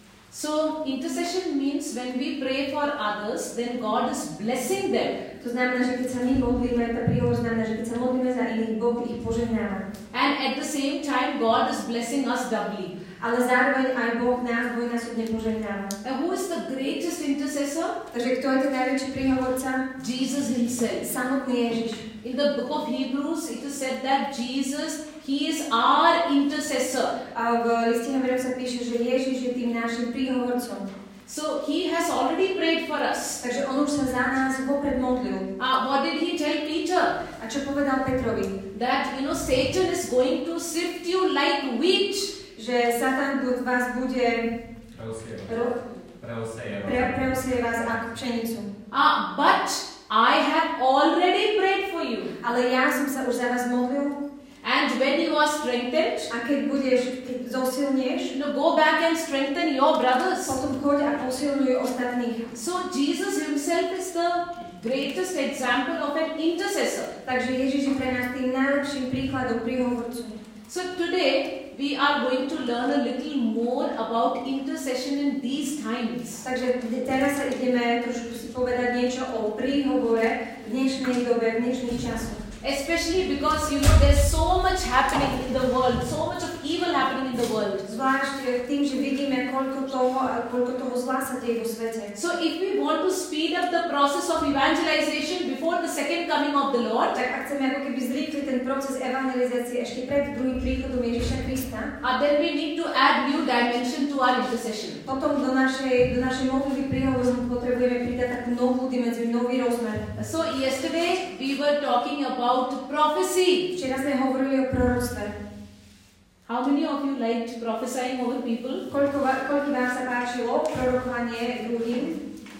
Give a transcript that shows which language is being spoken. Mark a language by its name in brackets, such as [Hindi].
[English] So intercession means when we pray for others, then God is blessing them. [Slovak] To znamená, že keď sa my modlíme, tá príhovor znamená, že keď sa modlíme za iných, Boh ich požehnáva. [English] And at the same time, God is blessing us doubly. [Slovak] Ale zároveň aj Boh nás dvojnásobne požehnáva. [English] And who is the greatest intercessor? [Slovak] Takže kto je ten najväčší príhovorca? [English] Jesus himself. [Slovak] Samotný Ježiš. [English] In the book of Hebrews, it is said that Jesus, he is our intercessor. [Slovak] A v liste Hebrejom sa píše, že Ježiš je tým našim príhovorcom. [English] So he has already prayed for us. [Slovak] Takže on už sa za nás vopred modlil. [English] What did he tell Peter? [Slovak] A čo povedal Petrovi? [English] That, you know, Satan is going to sift you like wheat. [Slovak] Že Satan vás bude preosieva vás ako pšenicu. [English] But I have already prayed for you. [Slovak] Ale ja som sa už za vás modlil. [English] And when you are strengthened, [Slovak] a keď budeš, keď zosilnieš, [English] no, go back and strengthen your brothers. [Slovak] Potom choď a posilňuj ostatných. [English] So Jesus himself is the greatest example of an intercessor. [Slovak] Takže Ježiš je pre nás tým najlepším príkladom príhovorcu. [English] So today we are going to learn a little more about intercession in these times. [Slovak] Takže teraz sa ideme trošku si povedať niečo o príhovore v dnešnej dobe, v dnešných časoch. [English] Especially because, you know, there's so much happening in the world, so much of evil happening in the world. [Slovak] Zvlášť tým, že vidíme, koľko toho zlá sa deje vo svete. [English] So if we want to speed up the process of evangelization before the second coming of the Lord, [Slovak] tak ak chceme ako keby zrýchli ten proces evangelizácie ešte pred druhým príchodom Ježiša Krista, [English] then we need to add new dimension to our intercession. [Slovak] Potom do našej modlitby príhovoru potrebujeme pridať takú novú dimenziu, nový rozmer. [English] So yesterday we were talking about prophecy. [Slovak] Včera sme hovorili o proroctve. [English] How many of you liked prophesying over people? [Slovak] Koľko vás sa páčilo prorokovanie druhým?